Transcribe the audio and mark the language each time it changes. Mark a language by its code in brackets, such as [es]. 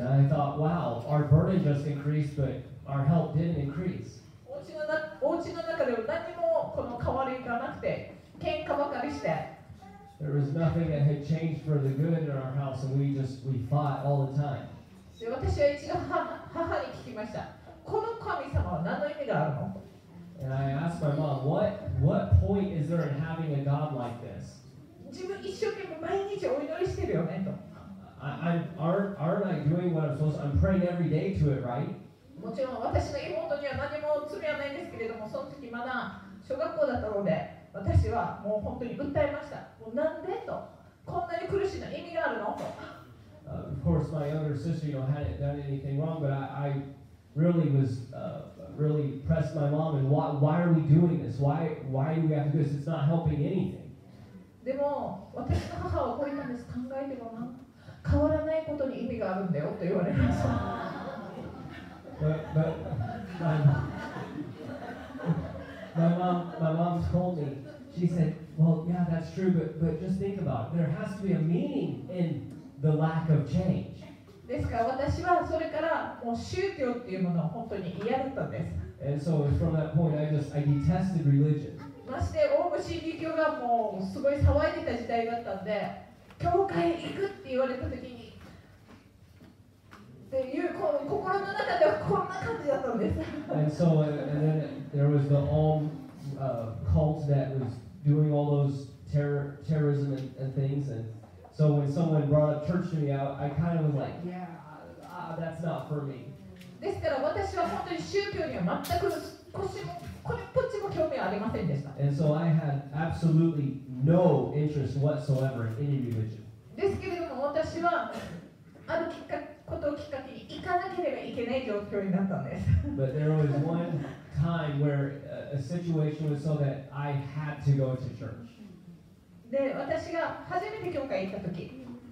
[en] And I thought, wow, our burden just increased, but our help didn't increase. [ja] お家の中でも何もこの変わりがなくて、喧嘩ばかりして。 [en] There was nothing that had changed for the good in our house, and we fought all the time. [ja] で私は一度母に聞きました。この神様は何の意味があるの？ [en] And I asked my mom, what point is there in having a God like this? [ja] 自分一生懸命毎日お祈りしてるよねと。 [en] Aren't I doing what I'm supposed to? I'm praying every day to it, right? [ja] もちろん私の妹には何も罪はないんですけれども、その時まだ小学校だったので、私はもう本当に訴えました。もうなんでと。こんなに苦しいの意味があるのと。 [en] Of course, my younger sister, you know, hadn't done anything wrong, but I really was, really pressed my mom, and why are we doing this? Why do we have to do this? It's not helping anything. [ja] でも、私の母は怒ったんです。考えてごらん。変わらないことに意味があるんだよ、と言われました。 [en] But my mom told me, she said, well, yeah, that's true, but just think about it. There has to be a meaning in... The lack of change. [ja] ですから私はそれからもう宗教っていうものを本当に嫌だったんです。 [en] And so from that point, I detested religion. [ja] まして大口神理教がもうすごい騒いでた時代だったんで、教会に行くって言われた時に、でいうこの心の中ではこんな感じだったんです。 [en] And so and then there was the cult that was doing all those terrorism and things and. So when someone brought a church to me, I kind of was like, yeah, that's not for me. [ja] ですから私は本当に宗教には全く少しもこれっぽっちも興味ありませんでした。 [en] And so I had absolutely no interest whatsoever in any religion. [ja] ですけれども私はあるきっかけをきっかけに行かなければいけない状況になったんです。 [en] But there was one time where a situation was so that I had to go to church. [ja] で私が初めて教会に行ったとき、